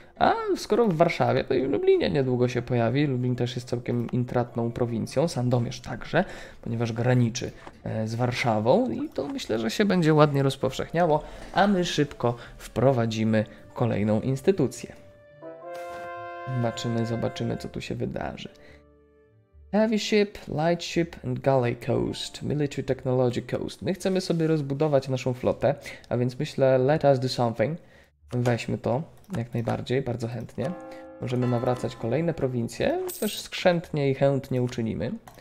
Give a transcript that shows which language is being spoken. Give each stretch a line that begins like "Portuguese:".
Polish: A skoro w Warszawie, to i w Lublinie niedługo się pojawi. Lublin też jest całkiem intratną prowincją. Sandomierz także, ponieważ graniczy z Warszawą. I to myślę, że się będzie ładnie rozpowszechniało. A my szybko wprowadzimy kolejną instytucję. Zobaczymy, co tu się wydarzy.
English: Heavy ship, light ship and galley coast. Military technology coast.
Polish: My chcemy sobie rozbudować naszą flotę. A więc myślę,
English: let us do something.
Polish: Weźmy to. Jak najbardziej, bardzo chętnie. Możemy nawracać kolejne prowincje. Też skrzętnie i chętnie uczynimy.